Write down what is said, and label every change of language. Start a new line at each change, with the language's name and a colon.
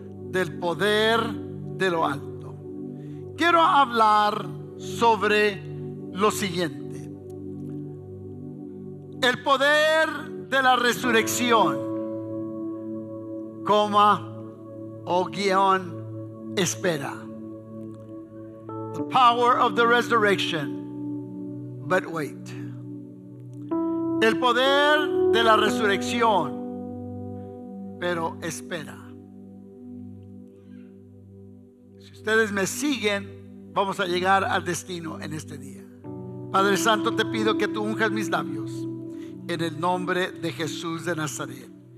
Spanish: Del poder de lo alto. Quiero hablar sobre lo siguiente: el poder de la resurrección, coma o guión, espera.
English: The power of the resurrection, but wait.
Spanish: El poder de la resurrección, pero espera. Si ustedes me siguen, vamos a llegar al destino en este día. Padre Santo, te pido que tú unjas mis labios. En el nombre de Jesús de Nazaret.